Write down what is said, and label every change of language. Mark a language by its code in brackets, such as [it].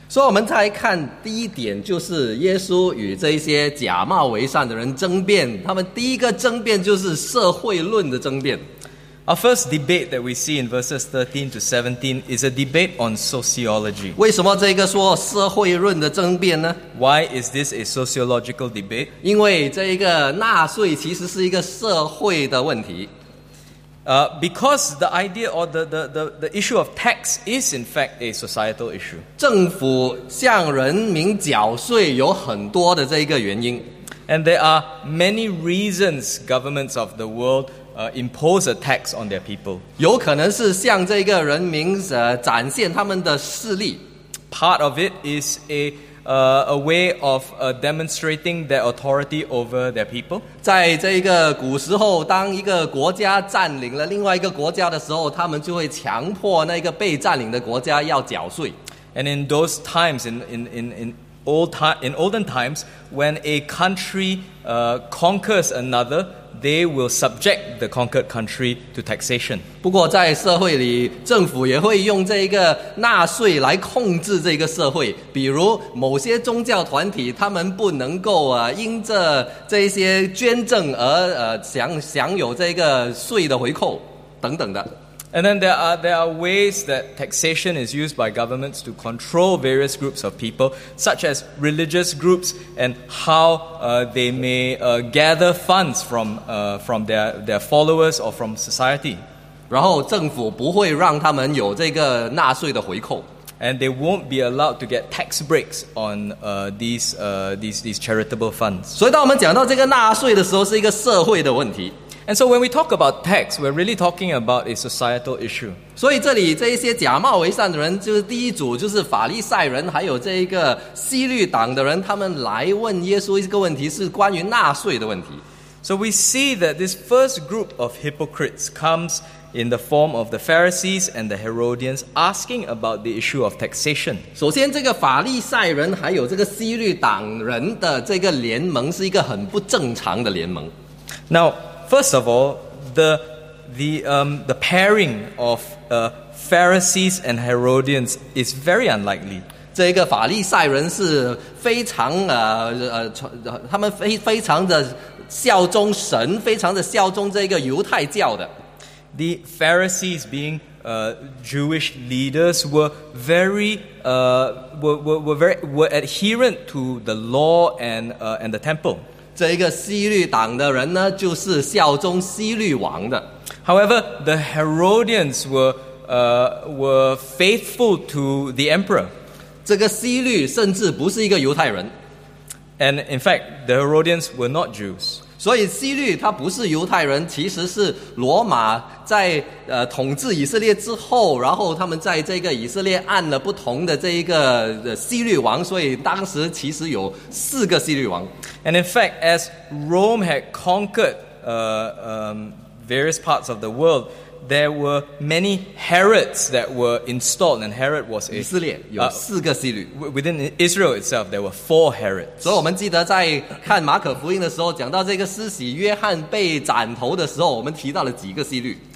[zh] 所以我们再看第一点，就是耶稣与这些假冒为善的人争辩。他们第一个争辩就是社会论的争辩。 [en] Our first debate that we see in verses 13 to 17 is a debate on sociology. [zh] 为什么这个说社会论的争辩呢？ [en] Why is this a sociological debate? [zh] 因为这个纳税其实是一个社会的问题。 [en] Because the idea or the issue of tax is in fact a societal issue. [zh] 政府向人民缴税有很多的这个原因。 [en] And there are many reasons governments of the world impose a tax on their people. [zh] 有可能是向这个人民展现他们的势力。 [en] Part of it is a way of demonstrating their authority over their people. [zh] 在这个古时候，当一个国家占领了另外一个国家的时候，他们就会强迫那个被占领的国家要缴税。 [en] And in those times, in olden times, when a country conquers another, they will subject the conquered country to taxation. [zh] 不过在社会里，政府也会用这个纳税来控制这个社会。比如某些宗教团体，他们不能够因着这些捐赠而享有这个税的回扣等等的。 [en] And then there are ways that taxation is used by governments to control various groups of people, such as religious groups and how they may gather funds from their followers or from society. [zh] 然后政府不会让他们有这个纳税的回扣。 [en] And they won't be allowed to get tax breaks on these charitable funds. [zh] 所以当我们讲到这个纳税的时候，是一个社会的问题。 [en] And so when we talk about tax, we're really talking about a societal issue. [zh] 所以这里这一些假冒为善的人，就是第一组，就是法利赛人，还有这一个西律党的人，他们来问耶稣一个问题，是关于纳税的问题。 [en] So we see that this first group of hypocrites comes in the form of the Pharisees and the Herodians asking about the issue of taxation. [zh] 首先，这个法利赛人还有这个西律党人的这个联盟是一个很不正常的联盟。 [en] Now, first of all, the pairing of Pharisees and Herodians is very unlikely. [zh] 这个法利赛人是非常他们非常的效忠神，非常的效忠这个犹太教的。 [en] The Pharisees, being Jewish leaders, were adherent to the law and the temple. [zh] 这一个希律党的人呢，就是效忠希律王的。 [en] However, the Herodians were faithful to the emperor. [zh] 这个希律甚至不是一个犹太人。 [en] And in fact, the Herodians were not Jews. [zh] 所以希律他不是犹太人，其实是罗马在统治以色列之后，然后他们在这个以色列按了不同的这一个希律王，所以当时其实有四个希律王。 [en] And in fact, as Rome had conquered various parts of the world, there were many Herods that were installed, and Herod was a... [zh] 以色列有四个希律。 [en] Within Israel itself, there were four Herods. [zh] 所以我们记得在看马可福音的时候，讲到这个施洗约翰被斩头的时候，我们提到了几个希律。